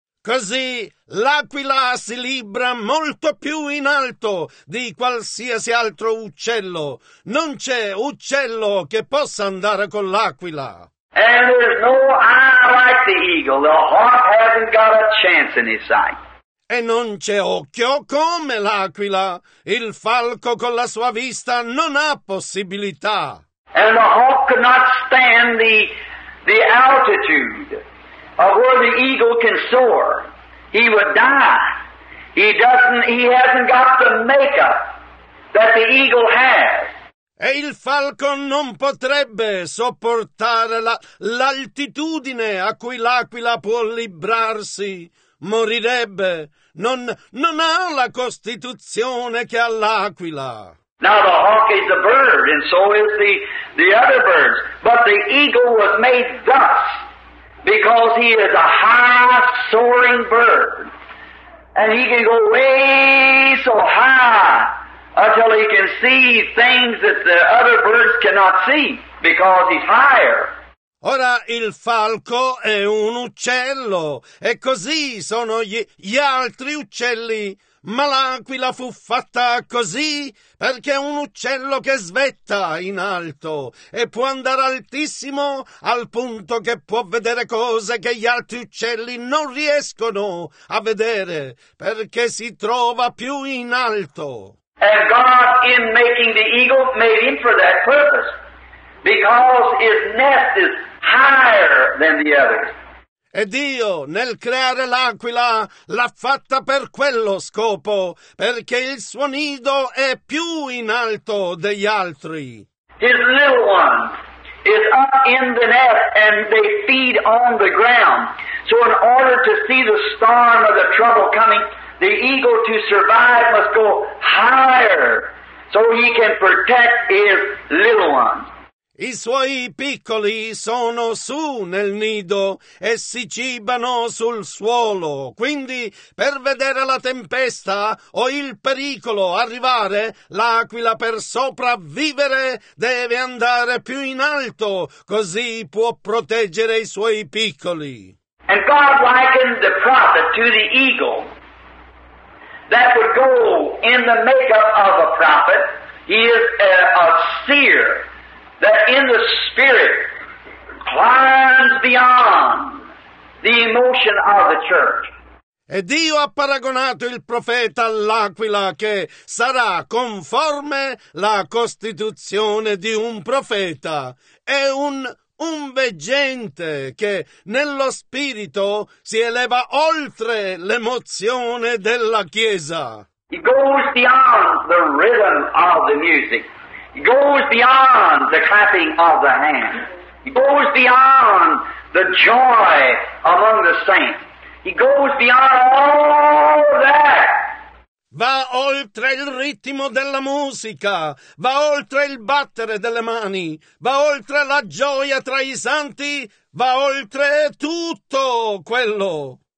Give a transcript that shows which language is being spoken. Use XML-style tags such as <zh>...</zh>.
<it>Così l'aquila si libra molto più in alto di qualsiasi altro uccello. Non c'è uccello che possa andare con l'aquila.</it> <en>And there's no eye like the eagle. The hawk hasn't got a chance in his sight.</en> <it>E non c'è occhio come l'aquila. Il falco con la sua vista non ha possibilità.</it> <en>And the hawk could not stand the altitude of where the eagle can soar. He would die. He hasn't got the makeup that the eagle has.</en> <it>E il falco non potrebbe sopportare l'altitudine a cui l'aquila può librarsi. Morirebbe. Non ha la costituzione che ha l'aquila.</it> <en>Now the hawk is a bird, and so is the other birds. But the eagle was made thus because he is a high-soaring bird. And he can go way so high until he can see things that the other birds cannot see because he's higher.</en> <it>Ora il falco è un uccello, e così sono gli altri uccelli. Ma l'aquila fu fatta così perché è un uccello che svetta in alto e può andare altissimo al punto che può vedere cose che gli altri uccelli non riescono a vedere perché si trova più in alto.</it> <en>And God, in making the eagle, made him for that purpose, because his nest is higher than the others.</en> <it>E Dio, nel creare l'aquila, l'ha fatta per quello scopo, perché il suo nido è più in alto degli altri.</it> <en>His little one is up in the nest and they feed on the ground. So in order to see the storm or the trouble coming, the eagle to survive must go higher so he can protect his little one.</en> <it>I suoi piccoli sono su nel nido e si cibano sul suolo. Quindi, per vedere la tempesta o il pericolo arrivare, l'aquila per sopravvivere deve andare più in alto, così può proteggere i suoi piccoli.</it> <en>And God likened the prophet to the eagle that would go in the makeup of a prophet. He is a seer that in the spirit climbs beyond the emotion of the church.</en> <it>E Dio ha paragonato il profeta all'aquila che sarà conforme la costituzione di un profeta. È un veggente che nello spirito si eleva oltre l'emozione della chiesa.</it> <en>He goes beyond the rhythm of the music. He goes beyond the clapping of the hands. He goes beyond the joy among the saints. He goes beyond all that.</en> <it>Va oltre il ritmo della musica, va oltre il battere delle mani, va oltre la gioia tra i santi, va oltre tutto quello.</it>